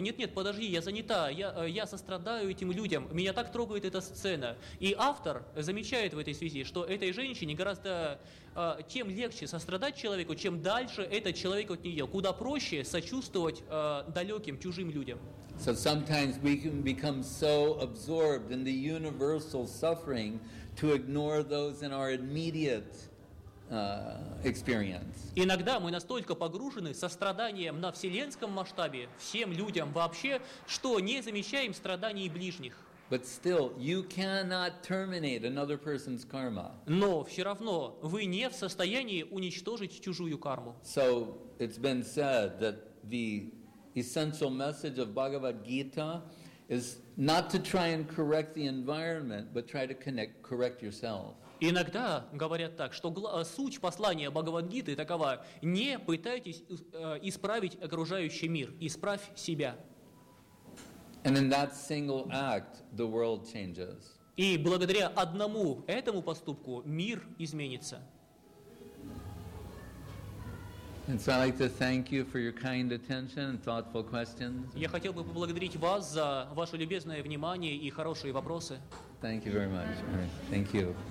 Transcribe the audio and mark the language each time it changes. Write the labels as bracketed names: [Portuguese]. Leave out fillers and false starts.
[Russian] Нет, подожди, я занята, я сострадаю этим людям. Меня так трогает эта сцена. И автор замечает в этой связи, что этой женщине гораздо тем легче сострадать человеку, чем дальше этот человек от нее. Куда проще сочувствовать далеким, чужим людям. [English] So sometimes we can become so absorbed in the universal suffering to ignore those in our immediate experience. [Russian] Иногда мы настолько погружены состраданием на вселенском масштабе всем людям вообще, что не замечаем страданий ближних. [English] But still, you cannot terminate another person's karma. [Russian] Но все равно вы не в состоянии уничтожить чужую карму. [English] So it's been said that the essential message of Bhagavad Gita is not to try and correct the environment, but try to correct yourself. [Russian] Иногда говорят так, что суть послания Бхагавад-гиты такова: не пытайтесь исправить окружающий мир, исправь себя. [English] And in that single act, the world changes. [Russian] И благодаря одному этому поступку мир изменится. [English] And so I'd like to thank you for your kind attention and thoughtful questions. [Russian] Я хотел бы поблагодарить вас за ваше любезное внимание и хорошие вопросы. [English] Thank you very much. All right. Thank you.